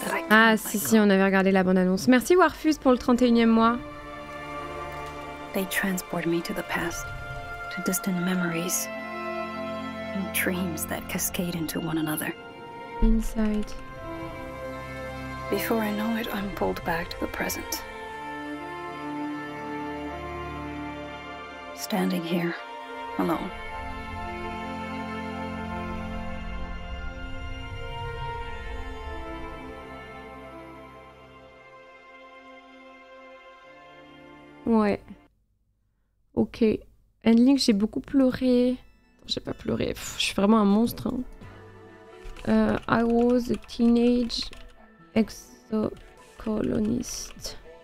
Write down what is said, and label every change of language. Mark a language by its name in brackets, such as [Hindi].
[French] Ah, si, on avait regardé la bande-annonce. Merci Warfuse pour le 31e mois. [English] They transport me to the past, to distant memories, and dreams that cascade into one another. Inside. Before I know it, I'm pulled back to the present. Standing here, alone. [French] Ouais. Ok. Endling, j'ai beaucoup pleuré. J'ai pas pleuré. Pff, je suis vraiment un monstre. Hein. [English] I was a teenage exocolonist.